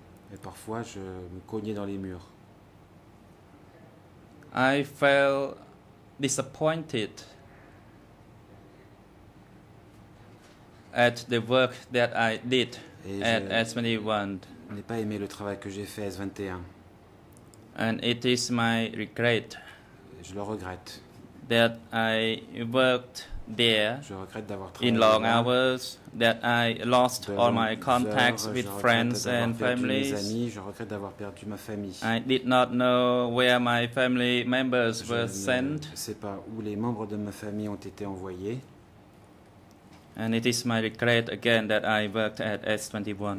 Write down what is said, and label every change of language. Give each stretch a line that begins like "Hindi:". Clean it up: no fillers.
French: Et parfois je me cognais dans les murs.
English: I felt disappointed at the work that I did at S21.
French: N'ai pas aimé le travail que j'ai fait à S21.
English: And it is my regret.
French: Je le regrette.
English: That I worked there.
French: Je regrette d'avoir travaillé
English: in long hours. That I lost all my contacts with friends and family.
French: Je regrette d'avoir perdu ma famille.
English: I did not know where my family members were sent.
French: Je ne sais pas où les membres de ma famille ont été envoyés.
English: And it is my regret again that I worked at S21.